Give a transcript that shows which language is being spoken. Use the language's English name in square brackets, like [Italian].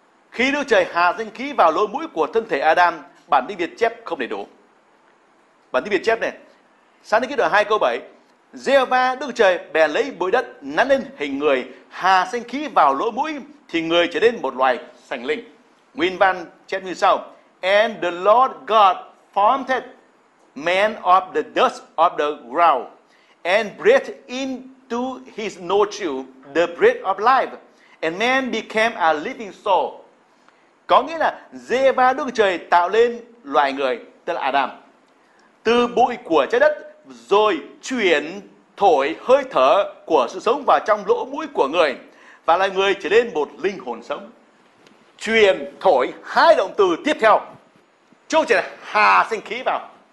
[Vietnamese] Khi Đức Trời hà sinh khí vào lỗ mũi của thân thể Adam, bản tin Việt chép không đầy đủ. Bản tin Việt chép này, sáng đến ký đoạn 2 câu 7, Giê-hô-va Đức Trời bèn lấy bụi đất nắn lên hình người, hà sinh khí vào lỗ mũi, thì người trở nên một loài sanh linh. Nguyên văn chép như sau, [English] and the Lord God formed man of the dust of the ground, and breathed into his nostril the breath of life, and man became a living soul. [Vietnamese] Có nghĩa là Giê-hô-va Đức Chúa Trời tạo lên loài người, tức là Adam, từ bụi của trái đất, rồi chuyển thổi hơi thở của sự sống vào trong lỗ mũi của người, và là người trở nên một linh hồn sống. Chuyển thổi, hai động từ tiếp theo, Chúa Trời hà sinh khí vào.